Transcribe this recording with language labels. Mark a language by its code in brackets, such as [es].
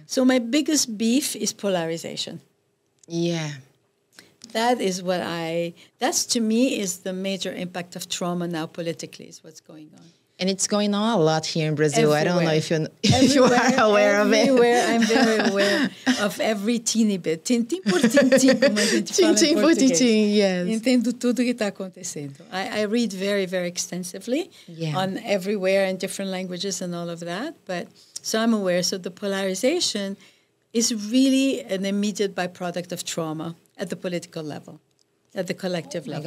[en] So my biggest beef is polarization. Yeah. That is what that's to me is the major impact of trauma now politically is what's going on. And it's going on a lot here in Brazil. Everywhere. I don't know if you are aware of it. Everywhere, I'm very aware of every teeny bit. [pt] Tintim por tintim, como a gente fala em português. Tintim por tintim, yes. Entendo tudo que está acontecendo. [en] I read very, very extensively on everywhere and different languages and all of that. But so I'm aware. So the polarization is really an immediate byproduct of trauma at the political level, at the collective level.